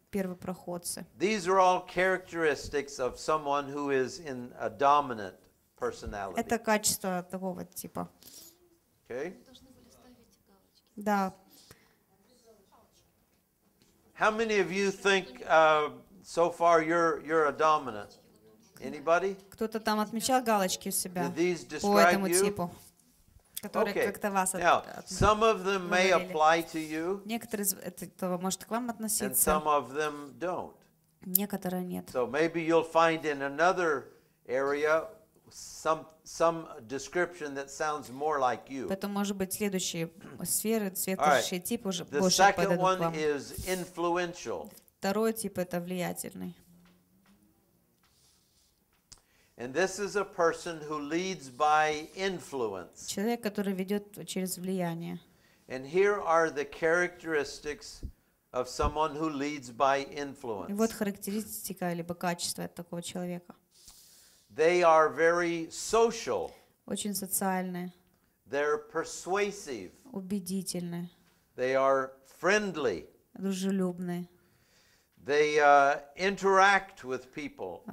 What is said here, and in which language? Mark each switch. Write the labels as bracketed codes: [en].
[en] These are all characteristics of someone who is in a dominant personality. [ru] Это качество такого типа. [en] Okay. [ru] Да. [en] How many of you think so far you're a dominant? Anybody? [ru] Кто-то там отмечал галочки у себя. [en] Did these describe you? Okay. Now, some of them may apply to you. [ru] Некоторые этого может к вам относиться. [en] And some of them don't. [ru] Некоторые нет. [en] So maybe you'll find in another area some description that sounds more like you. [ru] Это может быть следующие сферы, следующие типы уже больше подойдут вам. [en] The second one is influential. [ru] Второй тип это влиятельный. [en] And this is a person who leads by influence. [ru] Человек, который ведет через влияние. [en] And here are the characteristics of someone who leads by influence. [ru] И вот характеристика либо качество такого человека. [en] They are very social. [ru] Очень социальные. [en] They're persuasive. [ru] Убедительные. [en] They are friendly. [ru] Дружелюбные. [en] They interact with people.